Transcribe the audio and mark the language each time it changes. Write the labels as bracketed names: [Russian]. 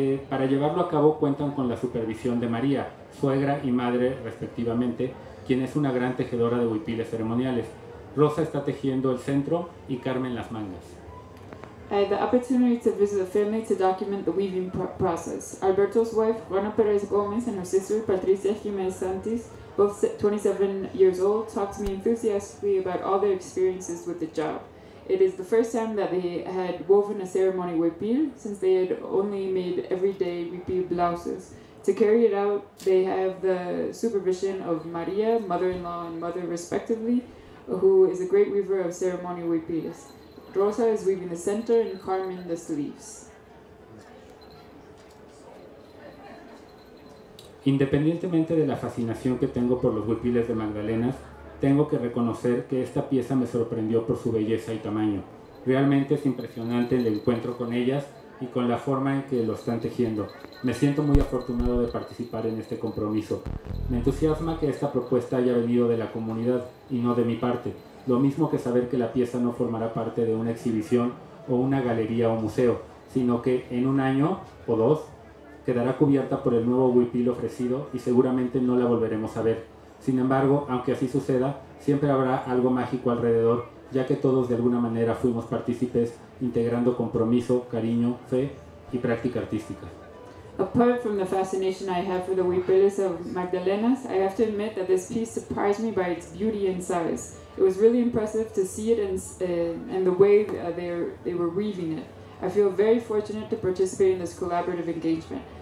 [Spanish] Para llevarlo a cabo cuentan con la supervisión de María, suegra y madre respectivamente, quien es una gran tejedora de huipiles ceremoniales. Rosa está tejiendo el centro y Carmen las mangas. [English] I had the opportunity to visit the family to document the weaving process. Alberto's wife, Juana Pérez Gómez, and her sister, Patricia Jiménez Santis, both 27 years old, talked to me enthusiastically about all their experiences with the job. It is the first time that they had woven a ceremony huipil, since they had only made everyday huipil blouses. To carry it out, they have the supervision of Maria, mother-in-law and mother respectively, who is a great weaver of ceremonial huipiles. Rosa is weaving the center and Carmen the sleeves. [Spanish] Independientemente de la fascinación que tengo por los huipiles de Magdalenas, tengo que reconocer que esta pieza me sorprendió por su belleza y tamaño. Realmente es impresionante el encuentro con ellas y con la forma en que lo están tejiendo. Me siento muy afortunado de participar en este compromiso. Me entusiasma que esta propuesta haya venido de la comunidad y no de mi parte, lo mismo que saber que la pieza no formará parte de una exhibición o una galería o museo, sino que en un año o dos quedará cubierta por el nuevo huipil ofrecido y seguramente no la volveremos a ver. Sin embargo, aunque así suceda, siempre habrá algo mágico alrededor, ya que todos de alguna manera fuimos partícipes integrando compromiso, cariño, fe y práctica artística. [English] Apart from the fascination I have for the huipiles of Magdalenas, I have to admit that this piece surprised me by its beauty and size. It was really impressive to see it and the way they were weaving it. I feel very fortunate to participate in this collaborative engagement.